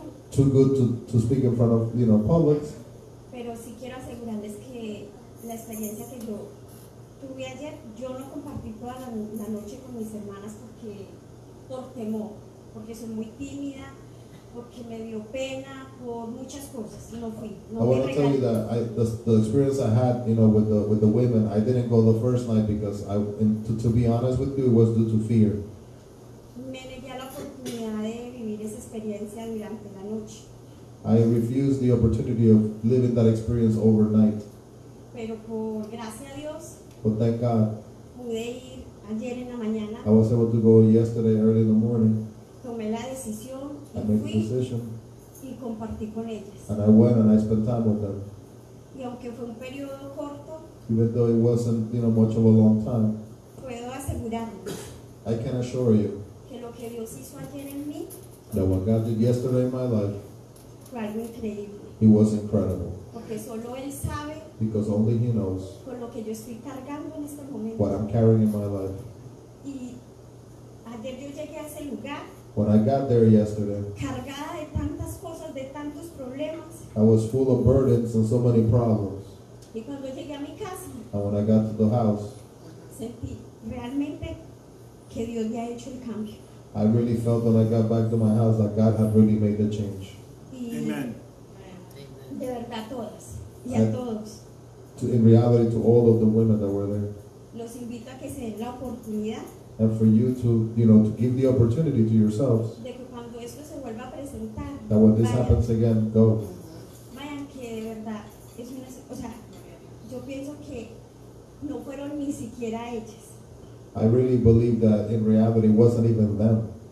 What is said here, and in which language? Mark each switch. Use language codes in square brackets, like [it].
[en] Too good to speak in front of, you know, public. [es] Pero sí quiero asegurarles que la experiencia que yo tuve ayer, yo no compartí toda la noche con mis hermanas porque por temor, porque soy muy tímida, porque me dio pena por muchas cosas y no fui. No [en] I want to tell you that the experience I had, you know, with the women, I didn't go the first night because to be honest with you, it was due to fear. [es] Me negué a la oportunidad de vivir esa experiencia durante. [en] I refused the opportunity of living that experience overnight. [es] Pero por gracia a Dios, [en] but thank God, [es] pude ir ayer en la mañana. [en] I was able to go yesterday early in the morning. [es] Tomé la decisión, [en] I made the decision [es] y compartí con ellas. [en] And I went and I spent time with them. [es] Y aunque fue un periodo corto, [en] even though it wasn't, you know, much of a long time, [es] puedo asegurarles, [en] I can assure you [es] que lo que Dios hizo ayer en mí, [en] that what God did yesterday in my life, [es] increíble. [en] He was incredible. [es] Porque solo él sabe, [en] because only he knows, [es] con lo que yo estoy cargando en este momento, [en] what I'm carrying in my life. [es] Y ayer yo llegué a ese lugar, [en] when I got there yesterday, [es] cargada de tantas cosas, de tantos problemas, [en] I was full of burdens and so many problems. [es] Y cuando llegué a mi casa, [en] and when I got to the house, [es] sentí realmente que Dios me ha hecho el cambio. [en] I really felt when I got back to my house that God had really made the change. Amen. [es] De verdad, todas. Y a todos. [en] In reality, to all of the women that were there. [es] Los invito a que se den la oportunidad. [en] And for you to, you know, to give the opportunity to yourselves. [es] De que cuando esto se vuelva a presentar. [en] That when this happens again, go. [es] Vayan, que de verdad, es una, o sea, yo pienso que no fueron ni siquiera ellas. [en] I really believe that in reality it wasn't even them.